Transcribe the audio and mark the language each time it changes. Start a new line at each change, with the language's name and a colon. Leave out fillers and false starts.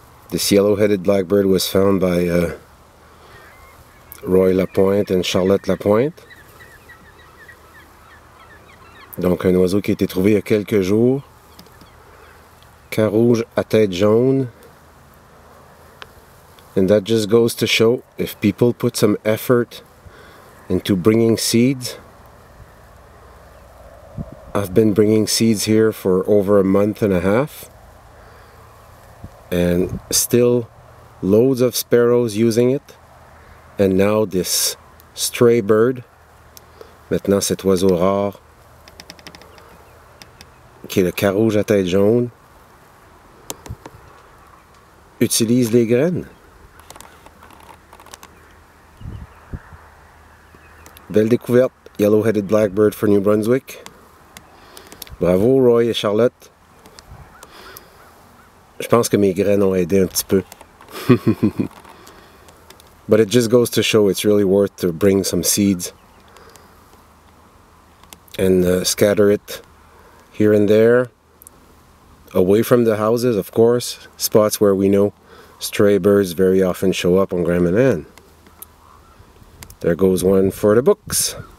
English: This yellow-headed blackbird was found by Roy Lapointe and Charlotte Lapointe.
French: Donc un oiseau qui a été trouvé il y a quelques jours. Cap rouge à tête jaune.
English: And that just goes to show, if people put some effort into bringing seeds. I've been bringing seeds here for over a month and a half. And still loads of sparrows using it. And now this stray bird.
French: Maintenant cet oiseau rare. Qui est le cap rouge à tête jaune. Utilise les graines. Belle découverte,
English: yellow-headed blackbird for New Brunswick.
French: Bravo Roy et Charlotte. Je pense que mes graines ont aidé un petit peu.
English: But it just goes to show it's really worth to bring some seeds and scatter it here and there. Away from the houses, of course. Spots where we know stray birds very often show up on Grand Manan. There goes one for the books.